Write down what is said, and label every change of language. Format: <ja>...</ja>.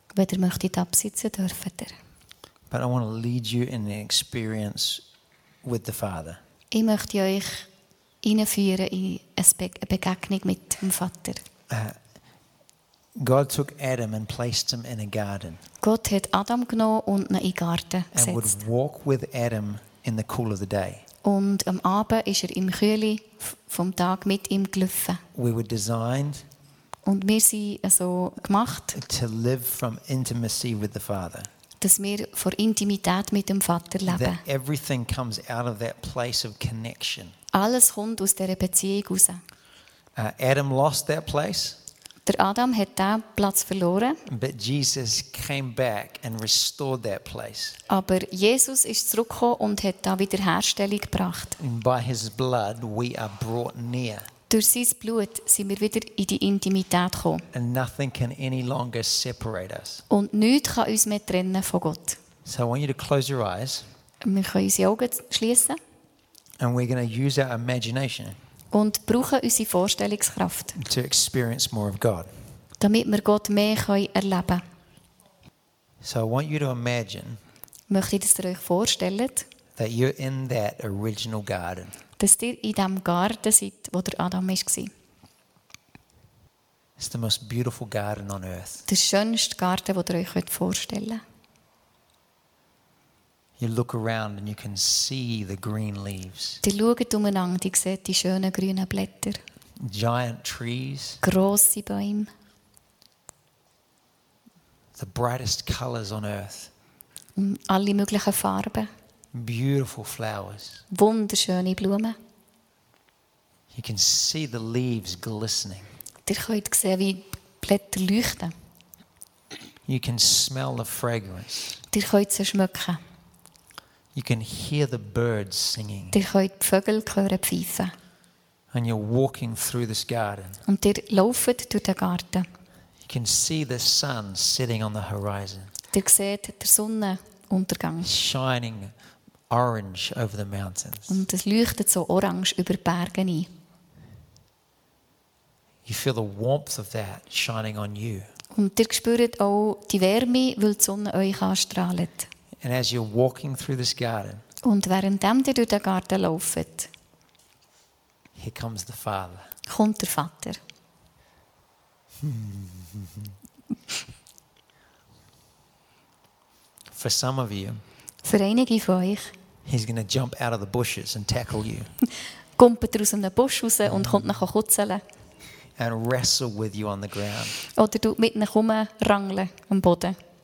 <de>Wenn du möchtest, absitzen dürft ihr.</de> <en>But I want to lead you in an experience with the Father.</en> <de>Ich möchte euch hineinführen in eine Begegnung mit dem Vater.</de> <en>God took Adam and placed him in a garden.</en> <de>Gott hat Adam genommen und ihn in den Garten gesetzt.</de> <en>And would walk with Adam in the cool of the day.</en> <de>Und am Abend ist im Kühli vom Tag mit ihm gelaufen.</de> <en>We were designed.</en> <de>Und wir sind also gemacht.</de> <en>To live from intimacy with the Father.</en> <de>Dass wir vor Intimität mit dem Vater leben.</de> <en>That everything comes out of that place of connection.</en> <de>Alles kommt aus dieser Beziehung raus.</de> <en>Adam lost that place.</en> <de>Der Adam hat diesen Platz verloren.</de> <en>But Jesus came back and restored that place.</en> <de>Aber Jesus ist zurückgekommen und hat da Wiederherstellung gebracht.</de> <en>By his blood we are brought near.</en> <de>Durch sein Blut sind wir wieder in die Intimität gekommen.</de> <en>And nothing can any longer separate us.</en> <de>Und nichts kann uns mehr trennen von Gott.</de> <en>So I want you to close your eyes.</en> <de>Wir können unsere Augen schließen.</de> <en>And we're going to use our imagination.</en> <de>Und brauchen unsere Vorstellungskraft,</de> <en>to experience more of God.</en> <de>Damit wir Gott mehr erleben können.</de> <en>So I want you to imagine,</en> <de>möchte ich, dass ihr euch vorstellt,</de> <en>that you're in that original garden.</en> <de>Dass ihr in dem Garten seid, wo der Adam war.</de> <en>It's the most beautiful garden on earth.</en> <de>Der schönste Garten, den ihr euch vorstellen könnt.</de> <en>You look around and you can see the green leaves.</en> <de>Ihr schaut umeinander, ihr seht die schönen grünen Blätter.</de> <en>Giant trees.</en> <de>Grosse Bäume.</de> <en>The brightest colors on earth.</en> <de>Alle möglichen Farben.</de> <en>Beautiful flowers.</en> <de>Wunderschöne Blumen.</de> <en>You can see the leaves glistening.</en> <de>Ihr könnt sehen, wie Blätter leuchten.</de> <en>You can smell the fragrance.</en> <de>Ihr könnt sie schmecken.</de> <en>You can hear the birds singing.</en> <de>Ihr könnt die Vögel hören pfeifen.</de> <en>And you're walking through this garden.</en> <de>Und ihr lauft durch den Garten.</de> <en>You can see the sun sitting on the horizon.</en> <de>Ihr seht den Sonnenuntergang.</de> <en>Shining orange over the mountains.</en> <de>Und es leuchtet so orange über die Berge ein.</de> <en>You feel the warmth of that shining on you.</en> <de>Und ihr spürt auch die Wärme, weil die Sonne euch anstrahlt.</de> <en>And as you're walking through this garden,</en> <de>und währenddem ihr durch den Garten lauft,</de> <en>here comes the Father.</en> <de>Kommt der Vater.</de> <en>For some of you,</en> <de>für einige von euch,</de> <en>he's going to jump out of the bushes and tackle you.</en> <de>Kommt aus einem Busch raus und kommt nach kutzeln.</de> <en>And wrestle with you on the ground.</en> <de>Oder tut mit nach oben rangeln am Boden.</de>